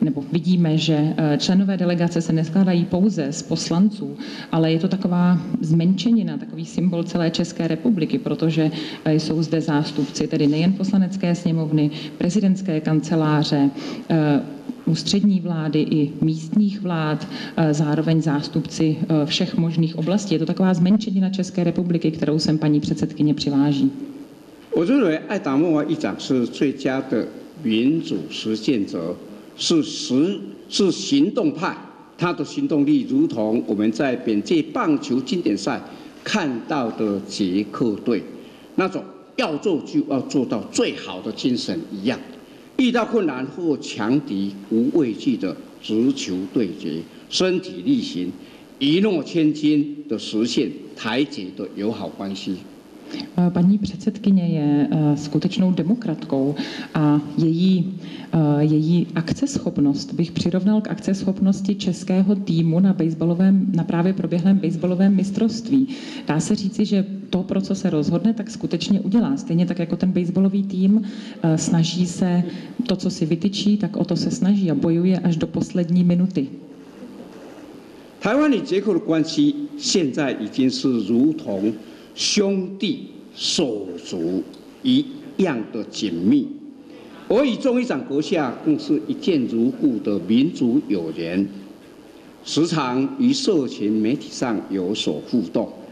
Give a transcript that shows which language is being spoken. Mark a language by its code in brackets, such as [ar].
[cs] Vidíme, že členové delegace se neskládají pouze z poslanců, ale je to taková zmenšenina, takový symbol celé České republiky, protože jsou zde zástupci tedy nejen poslanecké sněmovny, prezidentské kanceláře, ústřední vlády i místních vlád, zároveň zástupci všech možných oblastí. Je to taková zmenšenina České republiky, kterou sem paní předsedkyně přiváží. Myslím, [zh] 民主实践者是行动派，他的行动力如同我们在本届棒球经典赛看到的捷克队那种要做就要做到最好的精神一样，遇到困难或强敌无畏惧的直球对决，身体力行，一诺千金的实现台捷的友好关系。 [cs] Paní předsedkyně je skutečnou demokratkou a její akceschopnost bych přirovnal k akceschopnosti českého týmu na právě proběhlém baseballovém mistrovství. Dá se říci, že to, pro co se rozhodne, tak skutečně udělá. Stejně tak jako ten baseballový tým snaží se to, co si vytyčí, tak o to se snaží a bojuje až do poslední minuty. [zh] 台湾与捷克的关系现在已经是如同兄弟手足一样的紧密，我与中一长阁下更是一见如故的民族友人，时常与社群媒体上有所互动。